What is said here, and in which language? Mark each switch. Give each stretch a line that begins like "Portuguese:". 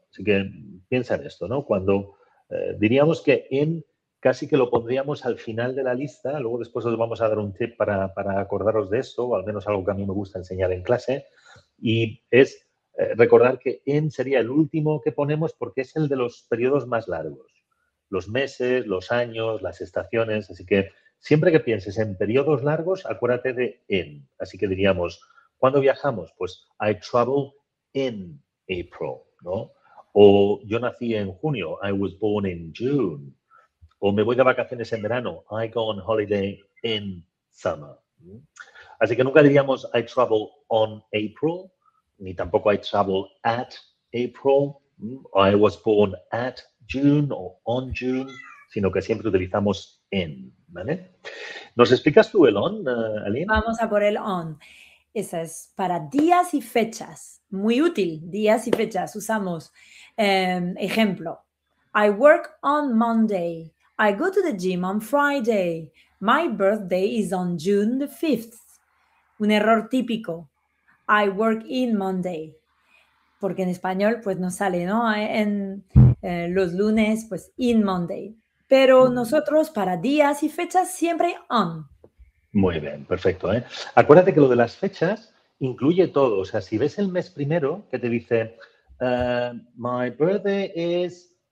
Spanish: Así que piensa en esto, ¿no? Cuando diríamos que in casi que lo pondríamos al final de la lista, luego después os vamos a dar un tip para acordaros de esto, o al menos algo que a mí me gusta enseñar en clase, y es recordar que in sería el último que ponemos porque es el de los periodos más largos, los meses, los años, las estaciones, así que siempre que pienses en periodos largos, acuérdate de in. Así que diríamos, ¿cuándo viajamos? Pues I traveled in April, ¿no? O yo nací en junio, I was born in June. O me voy de vacaciones en verano, I go on holiday in summer. Así que nunca diríamos I travel on April, ni tampoco I travel at April, I was born at June o on June, sino que siempre utilizamos in, ¿vale? ¿Nos explicas tú el on, Aline? Vamos a por el on. Eso es para días y fechas. Muy útil, días y fechas. Usamos ejemplo.
English: I work on Monday. I go to the gym on Friday. My birthday is on June the 5th. Un error típico. I work in Monday.
Spanish: Porque en español pues no sale, ¿no? En los lunes, pues in Monday. Pero nosotros para días y fechas siempre on. Muy bien, perfecto, ¿eh? Acuérdate que lo de las fechas incluye todo. O sea, si ves el mes primero que te dice my birthday is...